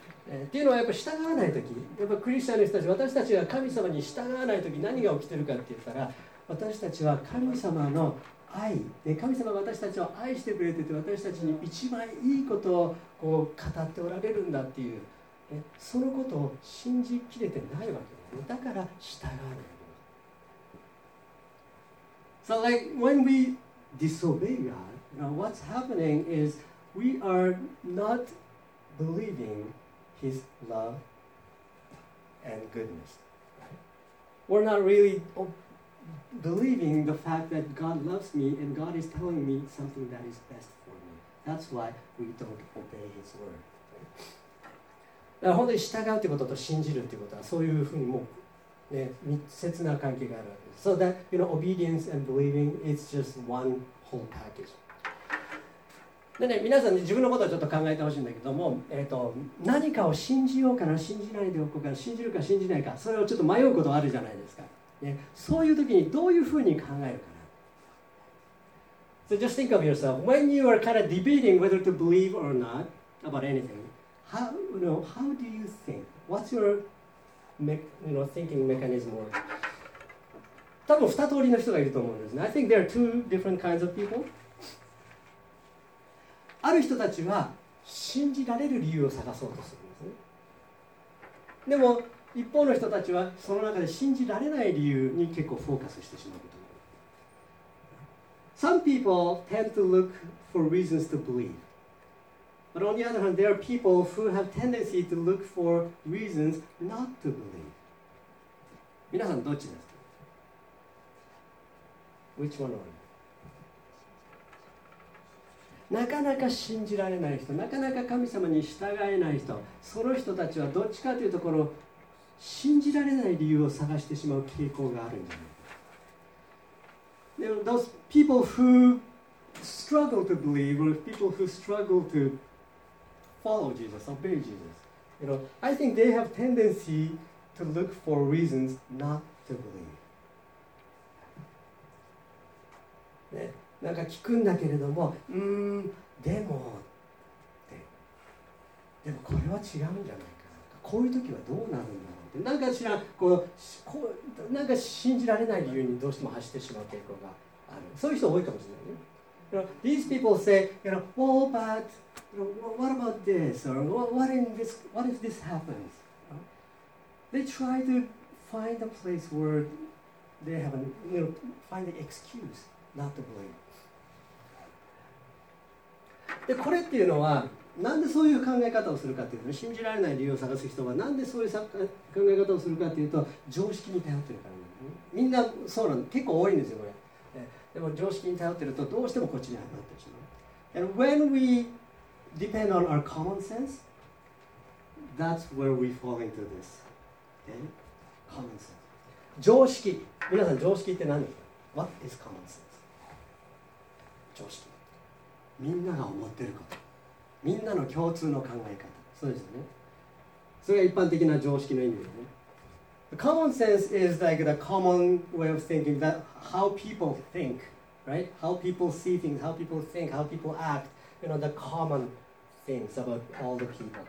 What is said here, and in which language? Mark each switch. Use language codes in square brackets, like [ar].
[ja] っていうのはやっぱ従わないとき、やっぱクリスチャンの人たち、私たちが神様に従わないとき何が起きてるかって言ったら、私たちは神様の愛で神様が私たちを愛してくれてて、私たちに一番いいことをこう語っておられるんだっていう、ね、そのことを信じきれてないわけです、ね、だから従わない。 [en] So like when we disobey God, you know, what's happening is we are not believing His love and goodness. We're not really believing the fact that God loves me and God is telling me something that is best for me. That's why we don't obey His word. [ja] だから本当に従うということと信じるということはそういうふうにもう、ね、密接な関係があるわけです。 [en] So that, you know, obedience and believing is just one whole package. [ja] でね、皆さん、ね、自分のことをちょっと考えてほしいんだけども、何かを信じようかな、信じないでおこうかな、信じるか信じないか、それをちょっと迷うことあるじゃないですか。ね、そういう時にどういうふうに考えるかな。 [en] So just think of yourself. When you are kind of debating whether to believe or not about anything, how do you think? What's your thinking mechanism? [ja] 多分2通りの人がいると思うんですね。 [en] I think there are two different kinds of people. [ja] ある人たちは信じられる理由を探そうとするんですね。でも一方の人たちはその中で信じられない理由に結構フォーカスしてしまうこと。 [en] Some people tend to look for reasons to believe. But on the other hand, there are people who have tendency to look for reasons not to believe. [ja] 皆さんどっちですか? [en] Which one are you? [ja] なかなか信じられない人、なかなか神様に従えない人、その人たちはどっちかというと、この信じられない理由を探してしまう傾向があるんじゃないか。 [en] Now, those people who struggle to believe or people who struggle to follow Jesus, obey Jesus, you know, I think they have tendency to look for reasons not to believe. [ja] ね。なんか聞くんだけれども、でもって、でもこれは違うんじゃないかな。こういう時はどうなるんだろうって、なんか知らん、こうなんか信じられない理由にどうしても走ってしまう傾向がある。そういう人多いかもしれないね。 [en] You know, these people say, you know, well, but you know, what about this? Or what if this happens? They try to find a place where they have find an excuse. Not to believe. [ja] でこれっていうのはなんでそういう考え方をするかっていうと、信じられない理由を探す人はなんでそういう考え方をするかっていうと、常識に頼ってるからね。みんなそうなの、結構多いんですよこれ。でも常識に頼ってるとどうしてもこっちに当たってしまう。 [en] And when we depend on our common sense, that's where we fall into this. Okay? Common sense. [ja] 常識。皆さん常識って何ですか? [en] What is common sense? [ja] 常識、みんなが思ってること、みんなの共通の考え方、そうですよね。それが一般的な常識の意味ですね。 [en] The common sense is like the common way of thinking, that how people think, right? How people see things, how people think, how people act, you know, the common things about all the people.